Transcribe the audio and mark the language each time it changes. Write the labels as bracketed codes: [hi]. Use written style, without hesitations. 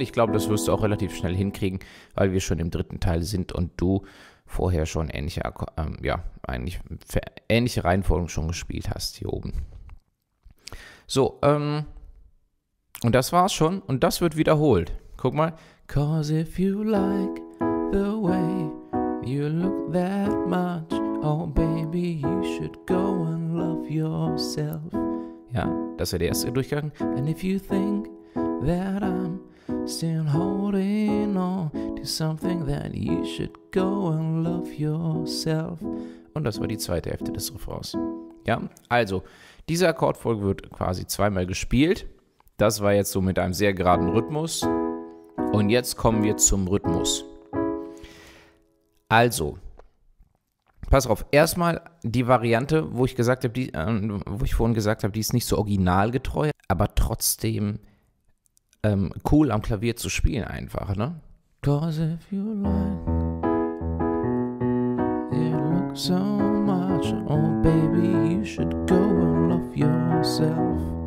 [de] Ich glaube, das wirst du auch relativ schnell hinkriegen, weil wir schon im dritten Teil sind und du vorher schon ähnliche Reihenfolgen schon gespielt hast hier oben. So, und das war's schon und das wird wiederholt. Guck mal. [en] 'Cause if you like the way you look that much, oh baby, you should go and love yourself. [de] Ja, das wäre der erste Durchgang. [en] And if you think that I'm still holding on to something, then you should go and love yourself. [de] Und das war die zweite Hälfte des Refrains. Ja, also, diese Akkordfolge wird quasi zweimal gespielt. Das war jetzt so mit einem sehr geraden Rhythmus. Und jetzt kommen wir zum Rhythmus. Also, pass auf, erstmal die Variante, wo ich vorhin gesagt habe, die ist nicht so originalgetreu, aber trotzdem cool am Klavier zu spielen einfach, ne? [en] 'Cause if you like, it looks so much, oh baby, you should go and love yourself.